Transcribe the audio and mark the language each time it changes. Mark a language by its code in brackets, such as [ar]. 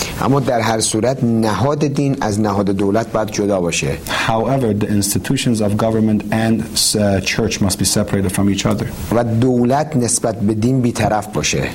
[fa] اما در هر صورت نهاد دین از نهاد دولت باید جدا باشه. [en] However, the institutions of government and church must be separated from each other. [fa] و دولت نسبت به دین بی‌طرف باشه.